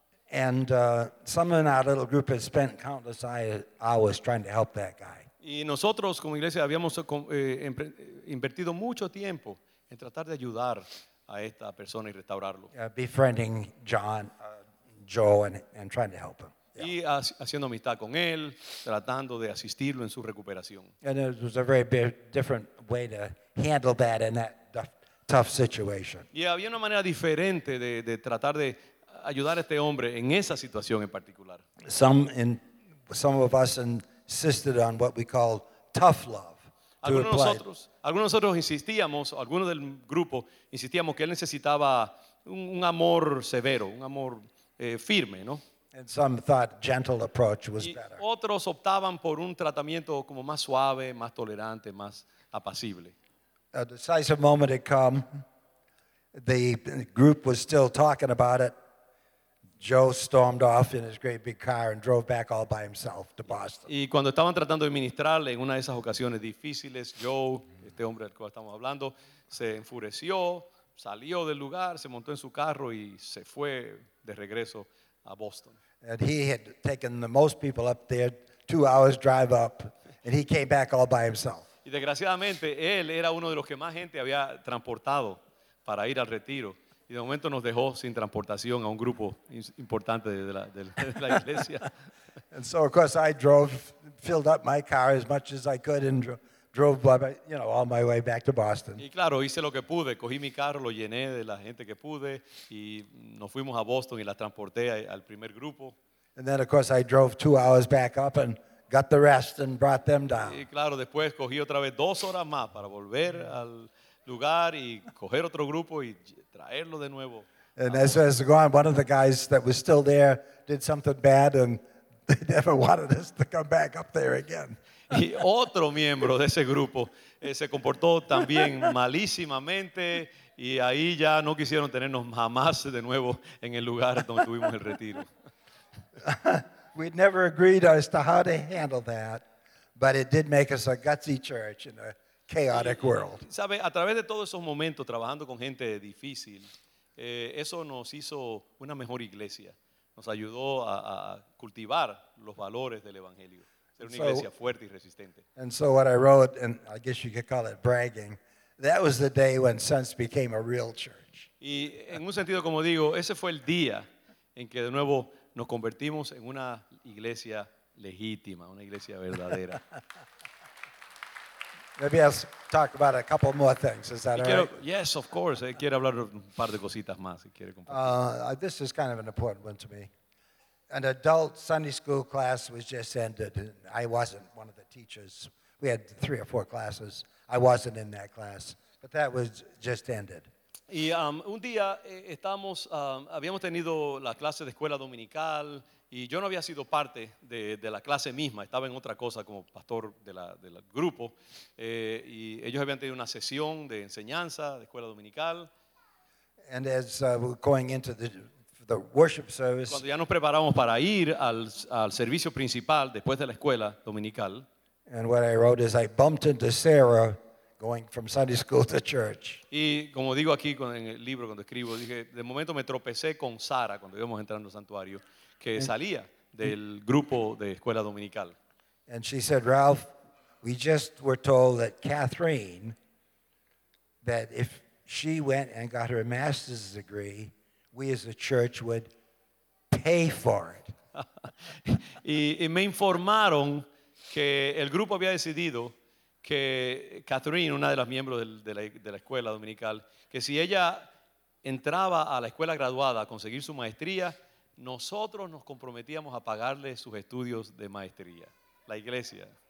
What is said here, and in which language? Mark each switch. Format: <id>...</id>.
<en>And some in our little group had spent countless hours trying to help that guy.</en> <es>Y nosotros como iglesia habíamos invertido mucho tiempo en tratar de ayudar a esta persona y restaurarlo.</es> <en>Befriending Joe and trying to help him. Yeah.</en> <es>Y haciendo amistad con él, tratando de asistirlo en su recuperación.</es> <en>And it was a very different way to handle that in that tough situation.</en> <es>Y había una manera diferente de tratar de ayudar a este hombre en esa situación en particular.</es> <en>Some of us insisted on what we call tough love.</en> <es>Algunos de nosotros insistíamos, algunos del grupo insistíamos que él necesitaba un amor severo, un amor firme, ¿no?</es> <en>And some thought gentle approach was better.</en> <es>Otros optaban por un tratamiento como más suave, más tolerante, más apacible.</es> <en>A decisive moment had come. The group was still talking about it. Joe stormed off in his great big car and drove back all by himself to Boston.</en> <es>Y cuando estaban tratando de ministrarle en una de esas ocasiones difíciles, Joe, este hombre del cual estamos hablando, se enfureció, salió del lugar, se montó en su carro y se fue de regreso a Boston.</es> <en>And he had taken the most people up there, 2 hours drive up, and he came back all by himself.</en> <es>Y desgraciadamente, él era uno de los que más gente había transportado para ir al retiro. Y de momento nos dejó sin transportación a un grupo importante de la iglesia.</es> <en>And so, of course, I drove, filled up my car as much as I could and drove, you know, all my way back to Boston.</en> <es>Y claro, hice lo que pude. Cogí mi carro, lo llené de la gente que pude y nos fuimos a Boston y la transporté al primer grupo.</es> <en>And then, of course, I drove 2 hours back up and got the rest and brought them down.</en> <es>Y claro, después cogí otra vez 2 horas más para volver al lugar y coger otro grupo y traerlo de nuevo.</es> <en>And as it was gone, one of the guys that was still there did something bad and they never wanted us to come back up there again.</en> <es>Y otro miembro de ese grupo se comportó también malísimamente y ahí ya no quisieron tenernos jamás de nuevo en el lugar donde tuvimos el retiro.</es> <en>We'd never agreed as to how to handle that, but it did make us a gutsy church in a chaotic world.</en> <es>Sabe, a través de todos esos momentos trabajando con gente difícil, eso nos hizo una mejor iglesia. Nos ayudó a cultivar los valores del evangelio. Ser una iglesia fuerte y resistente.</es> <en>And so what I wrote, and I guess you could call it bragging, that was the day when Sense became a real church.</en> <es>Y en un sentido, como digo, ese fue el día en que de nuevo nos convertimos en una iglesia legítima, una iglesia verdadera.</es> <en>Maybe I'll talk about a couple more things. Is that all right? Yes, of course.</en> <es>Quiero hablar un par de cositas más.</es> <en>This is kind of an important one to me. An adult Sunday school class was just ended. And I wasn't one of the teachers. We had 3 or 4 classes. I wasn't in that class. But that was just ended.</en> <es>Y un día estamos, habíamos tenido la clase de escuela dominical y yo no había sido parte de la clase misma, estaba en otra cosa como pastor del grupo y ellos habían tenido una sesión de enseñanza de escuela dominical.</es> <en>And as we're going into the worship service,</en> <es>cuando ya nos preparamos para ir al servicio principal después de la escuela dominical,</es> <en>and what I wrote is I bumped into Sarah going from Sunday school to church.</en> <es>Y como digo aquí en el libro cuando escribo, dije, de momento me tropecé con Sara cuando íbamos entrando al santuario, que salía del grupo de escuela dominical.</es> <en>And she said, "Ralph, we just were told that Catherine, that if she went and got her master's degree, we as a church would pay for it."</en> <es>Y me informaron que el grupo había decidido que Catherine, una de las miembros de la escuela dominical, que si ella entraba a la escuela graduada a conseguir su maestría, nosotros nos comprometíamos a pagarle sus estudios de maestría. La iglesia.</es>